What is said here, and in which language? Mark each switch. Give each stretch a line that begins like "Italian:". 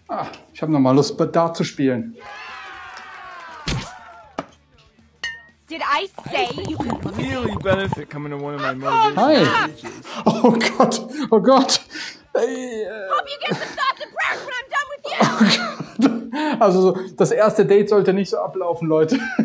German: Ah, ich hab nochmal Lust, Dart zu spielen.
English: Did I say you could really benefit coming to one of my motivational speeches? Oh God! Oh God! Hope you get some thoughts and prayers when I'm done with you.
German: Also so, das erste Date sollte nicht so ablaufen, Leute.